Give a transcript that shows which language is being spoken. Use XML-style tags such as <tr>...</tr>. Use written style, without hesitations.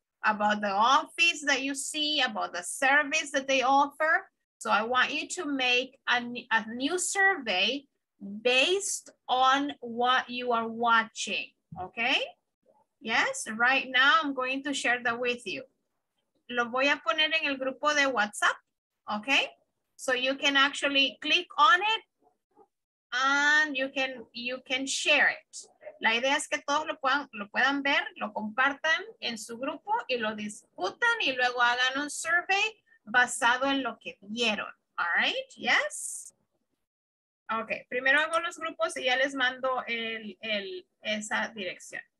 <en>About the office that you see, about the service that they offer. So I want you to make a new survey based on what you are watching, okay? Yes, right now I'm going to share that with you.</en> <es>Lo voy a poner en el grupo de WhatsApp, okay?</es> <en>So you can actually click on it and you can share it.</en> <es>La idea es que todos lo puedan ver, lo compartan en su grupo y lo discutan y luego hagan un survey basado en lo que vieron.</es> <en>All right, yes?</en> <es>Okay, primero hago los grupos y ya les mando esa dirección.</es>